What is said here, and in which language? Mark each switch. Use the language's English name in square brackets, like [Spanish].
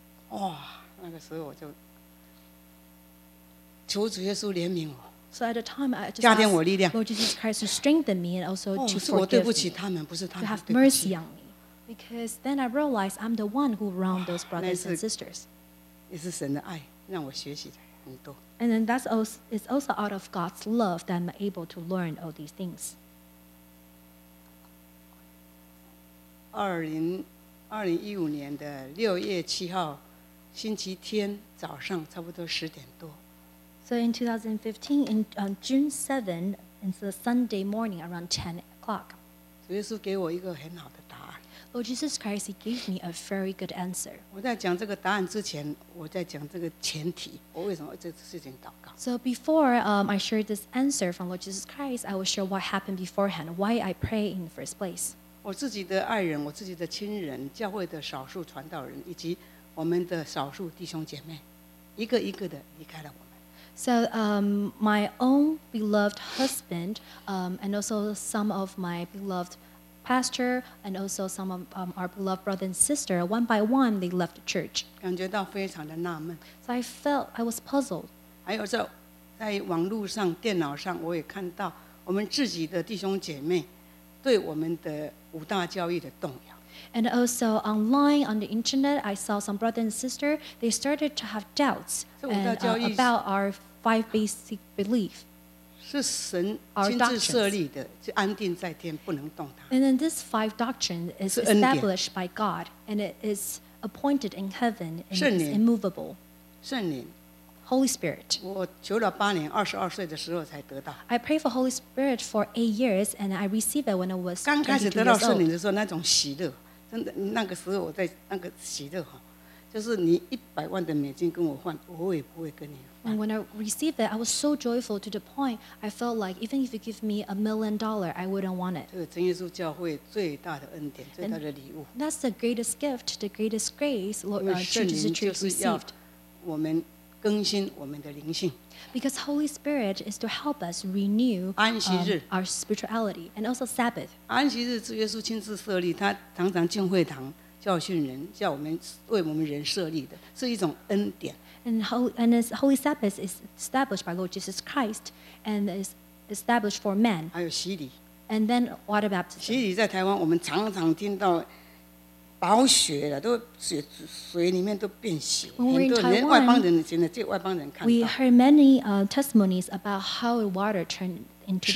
[Chinese] 哇，那个时候我就求主耶稣怜悯我。 [English] So at the time, I just asked [Chinese] 加添我力量。 [English] Lord Jesus Christ to strengthen me and also to forgive me. [Chinese] 是我对不起他们，不是他们对不起。 [English] To have mercy on me. Because then I realized I'm the one who wronged those brothers and sisters. [Chinese] 也是神的爱让我学习的很多。 [English] And then that's also, it's also out of God's love that I'm able to learn all these things. [Chinese] 2015年的六月七号，星期天早上差不多十点多。 [English] So in 2015, in June 7, it's a Sunday morning around 10 o'clock. [Chinese] 主耶稣给我一个很好的。 [English] Lord Jesus Christ, He gave me a very good answer. [Chinese] 我在讲这个答案之前，我在讲这个前提，我为什么这事情祷告。 [English] So before I shared this answer from Lord Jesus Christ, I will share what happened beforehand, why I pray in the first place. [Chinese] 我自己的爱人，我自己的亲人，教会的少数传道人，以及我们的少数弟兄姐妹，一个一个的离开了我们。 [English] So my own beloved husband, and also some of my beloved. Pastor and also some of our beloved brother and sister, one by one, they left the church. [Chinese] 感觉到非常的纳闷。 [English] So I felt I was puzzled. [Chinese] 还有在网络上、电脑上，我也看到我们自己的弟兄姐妹对我们的五大教义的动摇。 [English] And also online on the internet, I saw some brother and sister they started to have doubts and, about our five basic beliefs. [Chinese] 是神亲自设立的，就安定在天，不能动它。 [English] And then this five doctrine is established by God, and it is appointed in heaven and is immovable. [Chinese] 圣灵 [English] Holy Spirit. [Chinese] 我求了八年，22岁的时候才得到。 [English] I prayed for Holy Spirit for 8 years, and I received it when I was [Chinese] 刚开始得到圣灵的时候，那种喜乐，真的那个时候我在那个喜乐哈，就是你100万的美金跟我换，我也不会跟你。 [English] And when I received it, I was so joyful to the point I felt like even if you give me $1 million, I wouldn't want it. [Chinese] 这是真耶稣教会最大的恩典，最大的礼物。 [English] That's the greatest gift, the greatest grace, Jesus Christ received. [Chinese] 因为圣灵就是要我们更新我们的灵性。 [English] Because Holy Spirit is to help us renew our spirituality and also Sabbath. [Chinese] 安息日是耶稣亲自设立，他常常进会堂教训人，叫我们为我们人设立的，是一种恩典。 [English] And as Holy Sabbath is established by Lord Jesus Christ and is established for men. [Chinese] 还有洗礼。 [English] And then water baptism. [Chinese] 洗礼在台湾我们常常听到饱血了，都 水里面都变血。 [English] When we're in Taiwan, [Chinese] 连外邦人的现在这外邦人看到。 [English] We heard many testimonies about how water turned into blood.